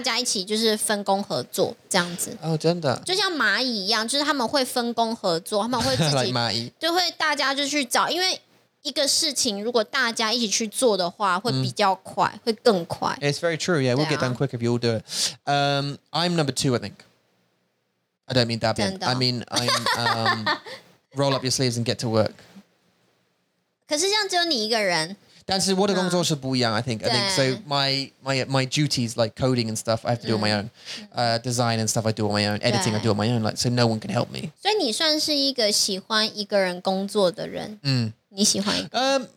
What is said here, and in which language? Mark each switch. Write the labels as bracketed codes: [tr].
[zh] 就是大家一起就是分工合作, 这样子。 Oh, 真的? 就像蚂蚁一样, 就是他们会分工合作, 他们会自己, [en] like 蚂蚁。 [zh] 就会大家就去找, 因为, 一个事情如果大家一起去做的话会比较快会更快 [en] It's very true, yeah. We'll get done quick if you all do it. I'm number two, I think. I don't mean that bad. I mean, I'm roll up your sleeves and get to work. [zh] 可是这样只有你一个人但是我的工作是不一样, [en] I think. I think so my duties like coding and stuff, I have to do on my own. Design and stuff, I do on my own. Editing, I do on my own. Like, so no one can help me. [zh] 所以你算是一个喜欢一个人工作的人 你喜欢一个人?